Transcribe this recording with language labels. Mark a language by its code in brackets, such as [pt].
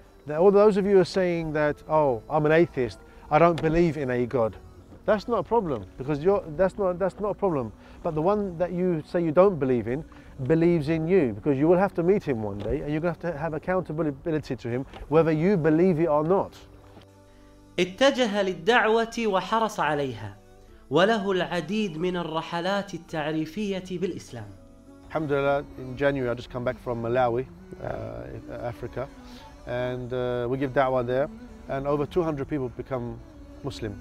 [en] Now, all those of you who are saying that, I'm an atheist, I don't believe in a God, that's not a problem, because that's not a problem. But the one that you say you don't believe in believes in you, because you will have to meet him one day and you're going to have accountability to him whether you believe it or not. [ar] اتجه للدعوة وحرص عليها وله العديد من الرحلات التعريفية بالإسلام. [en] Alhamdulillah, in January I just come back from Malawi, Africa. And we give da'wah there, and over 200 people become Muslim,